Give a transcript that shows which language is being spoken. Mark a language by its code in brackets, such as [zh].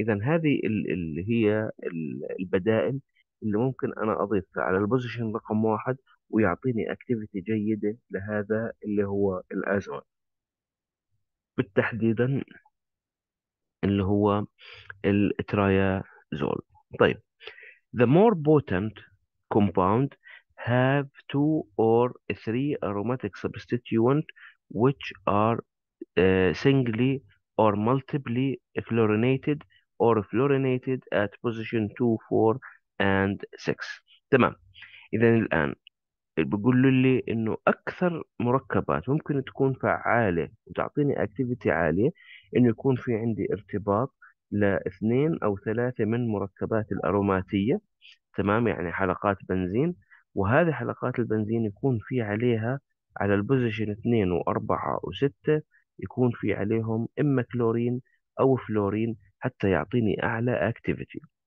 [ar] إذا هذه اللي هي البدائل اللي ممكن أنا أضيفها على البوزيشن رقم واحد ويعطيني أكتيفيتي جيدة لهذا اللي هو الأزون بالتحديد اللي هو الترايازول. [en] طيب the more potent compound have two or three aromatic substituent which are singly or multiply fluorinated or fluorinated at position 2, 4 and 6. [ar] تمام. إذن الآن بيقول لي إنه أكثر مركبات ممكن تكون فعالة وتعطيني activity عالية إنه يكون في عندي ارتباط لاثنين أو ثلاثة من مركبات الأروماتية، تمام، يعني حلقات بنزين، وهذه حلقات البنزين يكون في عليها على البوزيشن 2 و4 و6 يكون في عليهم اما كلورين او فلورين حتى يعطيني اعلى اكتيفيتي.